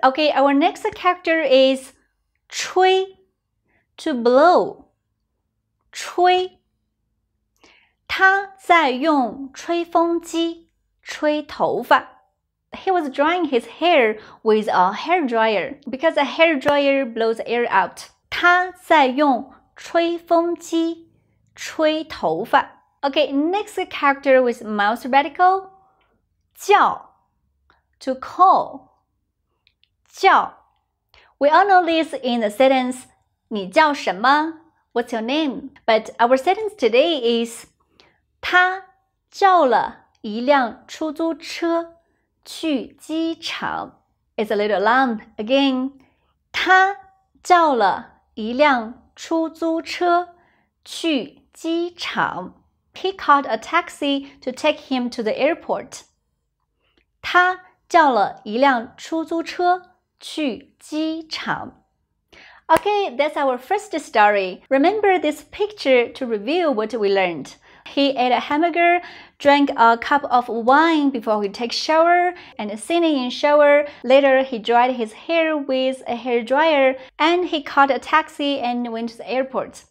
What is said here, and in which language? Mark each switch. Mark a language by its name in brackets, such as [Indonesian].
[English] Okay, our next character is 吹, to blow. [Chinese] 吹, 他在用吹风机吹头发。 [English] He was drying his hair with a hair dryer because a hair dryer blows air out. [Chinese] 他在用吹风机吹头发。 [English] Okay, next character with mouse radical. 叫, to call. 叫, we all know this in the sentence, [Chinese] 你叫什么? [English] What's your name? But our sentence today is, [Chinese] 他叫了一辆出租车去机场。 [English] It's a little long. [Chinese] Again, 他叫了一辆出租车去机场。 [English] He called a taxi to take him to the airport. [Chinese] 他叫了一辆出租车去机场。 [English] Okay, that's our first story. Remember this picture to review what we learned. He ate a hamburger, drank a cup of wine before he took shower, and sitting in shower. Later, he dried his hair with a hair dryer, and he caught a taxi and went to the airport.